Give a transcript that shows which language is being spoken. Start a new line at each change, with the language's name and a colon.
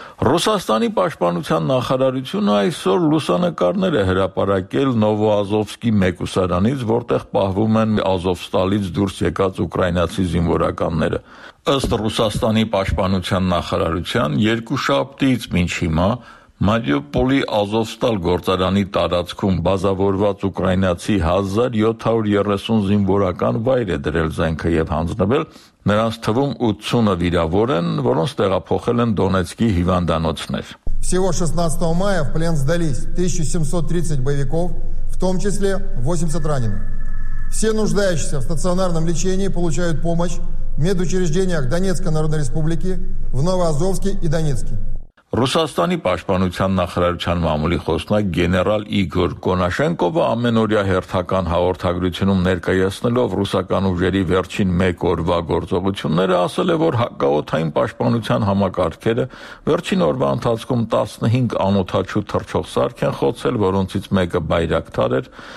Armenian: Ռուսաստանի պաշտպանության նախարարությունը այսօր լուսանկարներ է հրապարակել Նովոազովսկի մեկուսարանից, որտեղ պահվում են Ազովստալից դուրս եկած ուկրաինացի զինվորականները։ Ըստ Ռուսաստանի պաշտպանության նախարարության, երկու շաբթից մինչ հիմա Մարիուպոլի Ազովստալ գործարանի տարածքում բազավորված ուկրաինացի 1730 զինվորական վայր է դրել զենքը և հանձնվել, նրանց թվում 80-ը վիրավոր են, որոնց տեղափոխել են Դոնեցկի հիվանդանոցներ։
Russian: Всего 16 мая в плен сдались 1730 боевиков, в том числе 80 раненых. Все нуждающиеся в стационарном лечении получают помощь в медучреждениях Донецкой Народной Республики, в Новоазовске и Донецке.
Armenian: Ռուսաստանի պաշտպանության նախարարության մամուլի խոսնակ գեներալ Իգոր Կոնաշենկովը ամենօրյա հերթական հաղորդագրությունում ներկայացնելով ռուսական ուժերի վերջին մեկ օրվա գործողությունները ասել է, որ հակաօդային պաշտպանության համակարգերը վերջին օրվա ընթացքում 15 անօթաչու թռչող սարք են խոցել, որոնցից մեկը Բայրակտար էր,